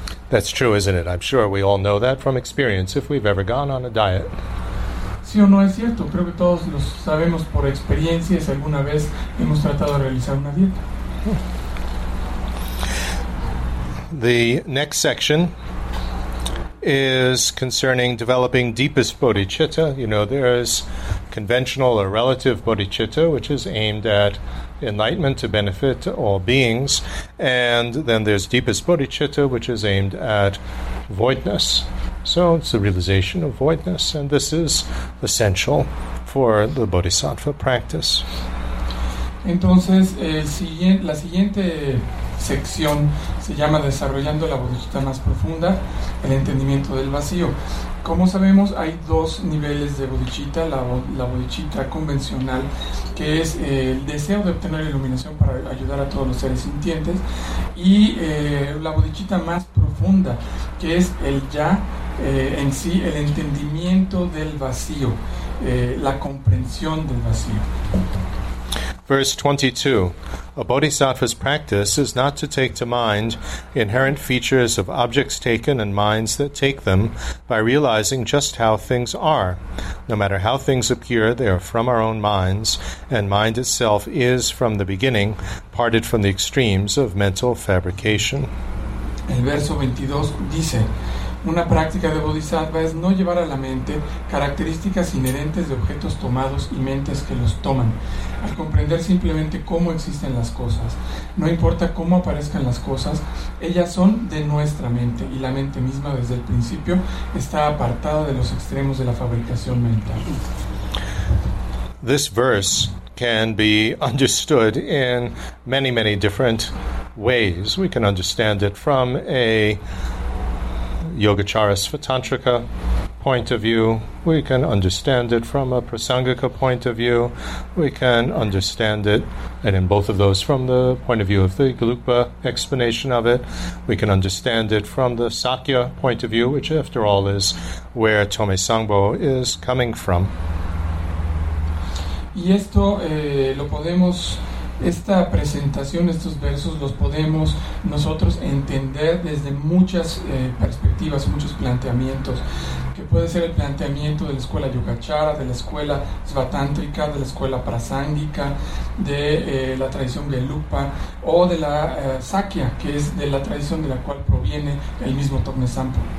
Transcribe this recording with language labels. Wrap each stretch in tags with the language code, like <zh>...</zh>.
<en>That's true, isn't it? I'm sure we all know that from experience if we've ever gone on a diet.</en> <es>Sí o no, es cierto, creo que todos lo sabemos por experiencia si alguna vez hemos tratado de realizar una dieta.</es> <en>The next section is concerning developing deepest bodhicitta. You know, there is conventional or relative bodhicitta, which is aimed at enlightenment to benefit all beings. And then there's deepest bodhicitta, which is aimed at voidness. So it's the realization of voidness. And this is essential for the bodhisattva practice.</en> <es>Entonces, la siguiente sección se llama Desarrollando la bodhicitta más profunda, el entendimiento del vacío. Como sabemos, hay dos niveles de bodhicitta: la bodhicitta convencional, que es el deseo de obtener iluminación para ayudar a todos los seres sintientes, y la bodhicitta más profunda, que es el ya en sí, el entendimiento del vacío, la comprensión del vacío.</es> <en>Verse 22. A bodhisattva's practice is not to take to mind inherent features of objects taken and minds that take them by realizing just how things are. No matter how things appear, they are from our own minds, and mind itself is from the beginning, parted from the extremes of mental fabrication.</en> <es>El verso 22 dice: una práctica de bodhisattva es no llevar a la mente características inherentes de objetos tomados y mentes que los toman. Al comprender simplemente cómo existen las cosas, no importa cómo aparezcan las cosas, ellas son de nuestra mente, y la mente misma desde el principio está apartada de los extremos de la fabricación mental.</es> <en>This verse can be understood in many, many different ways. We can understand it from a Yogacara Svatantrika point of view, we can understand it from a Prasangika point of view, we can understand it, and in both of those, from the point of view of the Gelugpa explanation of it, we can understand it from the Sakya point of view, which after all is where Tome Sangbo is coming from.</en> <es>Y esto lo podemos, esta presentación, estos versos los podemos nosotros entender desde muchas perspectivas, muchos planteamientos, que puede ser el planteamiento de la escuela Yogacara, de la escuela Svatantrika, de la escuela Prasangika, de la tradición Gelugpa, o de la Sakya, que es de la tradición de la cual proviene el mismo Tome Sampo.</es>